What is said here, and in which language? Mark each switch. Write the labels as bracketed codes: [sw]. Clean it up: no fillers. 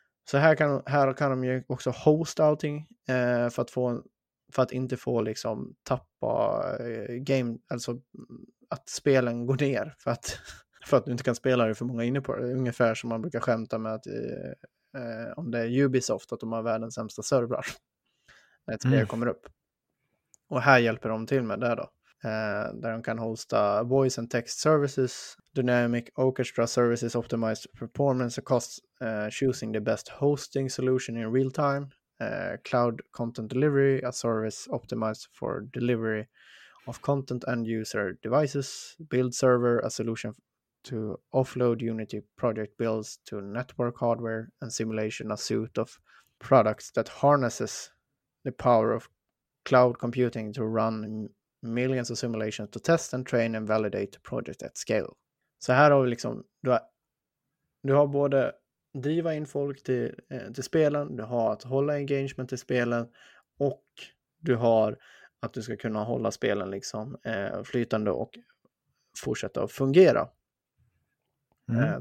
[sv] Så här kan de ju också hosta allting för att inte få liksom tappa game, alltså att spelen går ner för att du inte kan spela det för många inne på det. Ungefär som man brukar skämta med att om det är Ubisoft att de har världens sämsta servrar när ett spel kommer upp. Och här hjälper de till med det då. Där de kan hosta [en] voice and text services, dynamic orchestra services, optimized performance and costs, choosing the best hosting solution in real time, cloud content delivery, a service optimized for delivery of content and user devices, build server, a solution to offload Unity project builds to network hardware, and simulation, a suite of products that harnesses the power of cloud computing to run millions of simulations to test and train and validate project at scale. [sv] Så här har vi liksom, du har både driva in folk till spelen, du har att hålla engagement i spelen och du har att du ska kunna hålla spelen liksom flytande och fortsätta att fungera. Mm.